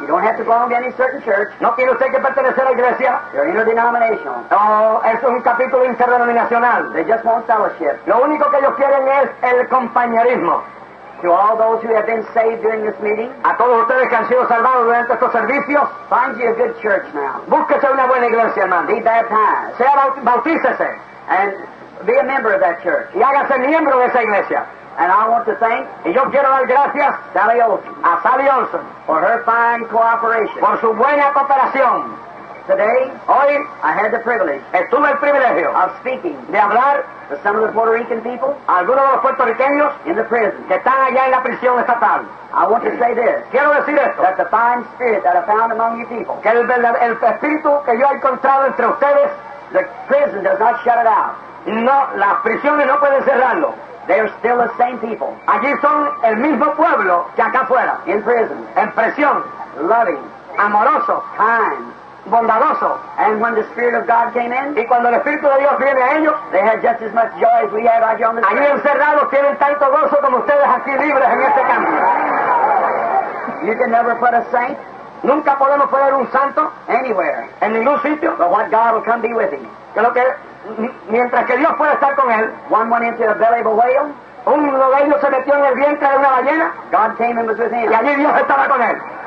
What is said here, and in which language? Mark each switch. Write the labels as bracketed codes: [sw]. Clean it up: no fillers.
[en] You don't have to belong to any certain church, [es] no tiene usted que pertenecer a la iglesia, [en] you're interdenominational, [es] no, es un capítulo interdenominacional, [en] they just want fellowship, [es] lo único que ellos quieren es el compañerismo. [en] To all those who have been saved during this meeting, [es] a todos ustedes que han sido salvados durante estos servicios, [en] find you a good church now. [es] Búsquese una buena iglesia, hermano. [en] Be baptized. [es] Sea bautícese. [en] And be a member of that church. [es] Y hágase miembro de esa iglesia. [en] And I want to thank, [es] y yo quiero dar gracias, Sally Olson, a Sally Olson, [en] for her fine cooperation, [es] por su buena cooperación. [en] Today, [es] hoy, [en] I had the privilege, [es] estuve el privilegio, [en] of speaking, [es] de hablar, [en] to some of the Puerto Rican people, [es] algunos de los puertorriqueños, [en] in the prison, [es] que están allá en la prisión estatal. [en] I want to say this, [es] quiero decir esto, [en] that the fine spirit that I found among you people, [es] que el espíritu que yo he encontrado entre ustedes, [en] the prison does not shut it out. [es] No, las prisiones no pueden cerrarlo. [en] They are still the same people. [es] Allí son el mismo pueblo que acá afuera. [en] In prison. [es] En prisión. [en] Loving. [es] Amoroso. [en] Kind. [es] Bondadoso. [en] And when the Spirit of God came in, [es] y cuando el Espíritu de Dios viene a ellos, [en] they had just as much joy as we have right here on the street. [es] Allí encerrados tienen tanto gozo como ustedes aquí libres en este campo. [en] You can never put a saint, [es] nunca podemos poner un santo, [en] anywhere, [es] en ningún sitio, [en] but what God will come be with him. [es] Que lo que, mientras que Dios pueda estar con él, [en] one went into the belly of a whale, [es] uno de ellos se metió en el vientre de una ballena, [en] God came and was with him. [es] Y allí Dios estaba con él.